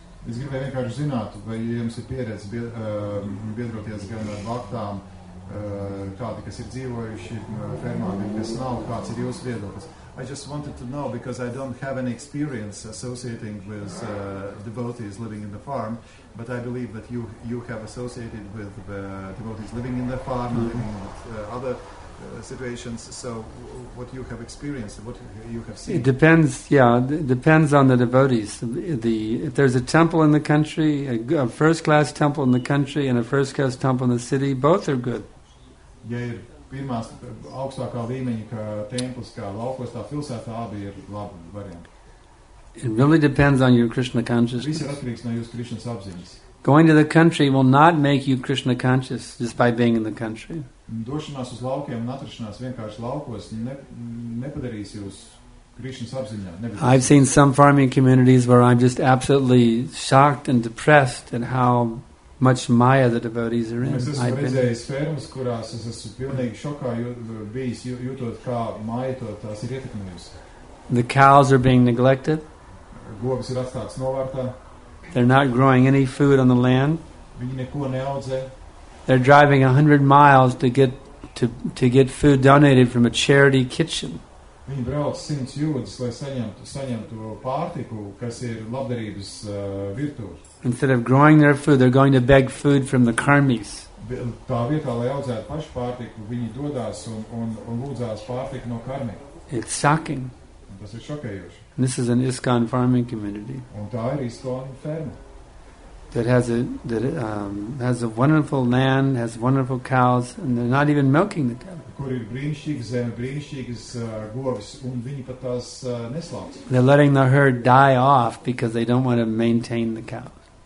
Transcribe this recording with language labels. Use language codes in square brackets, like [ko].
[lv] Es gribēju vienkārši zināt, vai jums ir pieredze biedroties gan ar vaktām, kādi, kas ir dzīvojuši fermā, kas nav, kāds ir jūsu viedoklis. [en] I just wanted to know, because I don't have any experience associating with devotees living in the farm, but I believe that you have associated with devotees living in the farm, living with other situations. So what you have experienced, what you have seen? It depends, it depends on the devotees. If there's a temple in the country, a first-class temple in the country and a first-class temple in the city, both are good. [lv] Ja ir pirmās augstākā līmeņa, ka templis, kā laukos, tā pilsētā, abi ir labi varianti. [en] It really depends on your Krishna consciousness. [lv] Viss ir atkarīgs no jūsu Krišnas apziņas. [en] Going to the country will not make you Krishna conscious just by being in the country. [lv] Došanās uz laukiem un atrašanās vienkārši laukos nepadarīs jūs Krišnas apziņā. [en] I've seen some farming communities where I'm just absolutely shocked and depressed at how much Maya the devotees are in. [lv] Es esmu redzējis fermas, kurās es esmu pilnīgi šokā bijis, jūtot, kā Maya to tās ir ietekmējusi. [en] The cows are being neglected. [lv] Govis ir atstātas novārtā. [en] They're not growing any food on the land. [lv] Viņi neko neaudzē. [en] They're driving 100 miles to get food donated from a charity kitchen. [lv] Viņi brauc 100 jūdzes, lai saņemtu pārtiku, kas ir labdarības virtuve. [en] Instead of growing their food, they're going to beg food from the karmis. [lv] Tā vietā, lai audzētu pašu pārtiku, viņi dodās un lūdzās pārtiku no karmi. [en] It's shocking. [lv] Tas ir šokējoši. [en] And this is an ISKCON farming community. [lv] Un tā ir ISKCON ferma. [en] That has a wonderful land, has wonderful cows, and they're not even milking the cows. [lv] Kur ir brīnišķīgas zemes, brīnišķīgas govis, un viņi pat tās neslauc. [en] They're letting the herd die off because they don't want to maintain the cows.